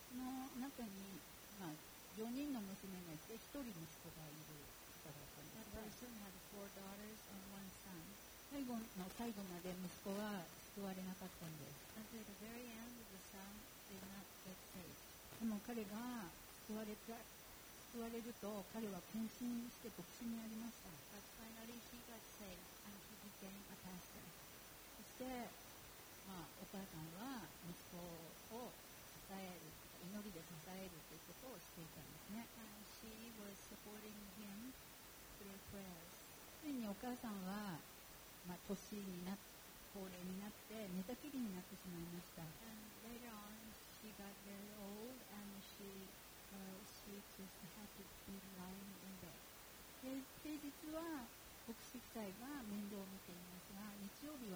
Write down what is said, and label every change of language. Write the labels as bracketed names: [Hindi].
[Japanese] の中に、まあ、4人の娘がいて1人息子がいる方だったんです。 [English] That person had four daughters and one son. [Japanese] 最後まで息子は救われなかったんです。 [English] Until the very end, the son did not get saved. [Japanese] でも彼が救われると彼は献身して牧師になりました。 [English] But finally he got saved and he became a pastor. [Japanese] そして、まあ、お母さんは息子を支える祈りで支えるということをしていたんですね。 [English] And she was supporting him through prayers. [Japanese] ついにお母さんは、まあ、年になって高齢になって寝たきりになってしまいました。 [English] And later on she got very old and sheshe just had to be lying in bed. [Japanese] 平日は牧師夫妻が面倒を見ていますが、日曜